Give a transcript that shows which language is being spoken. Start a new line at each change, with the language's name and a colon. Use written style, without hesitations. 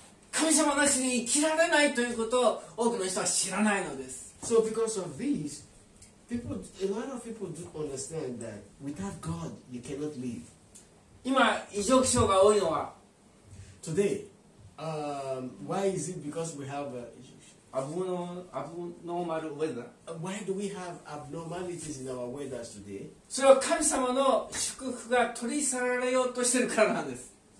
Japanese: 神様なしに生きられないということを多くの人は知らないのです。
English: So because of these, a lot of people do understand that without God you cannot live.
Japanese: 今異常気象が多いのは
English: today. Why is it because we have abnormal weather? Why do we have abnormalities in our weather today?
Japanese: それは神様の祝福が取り去られようとしているからなんです。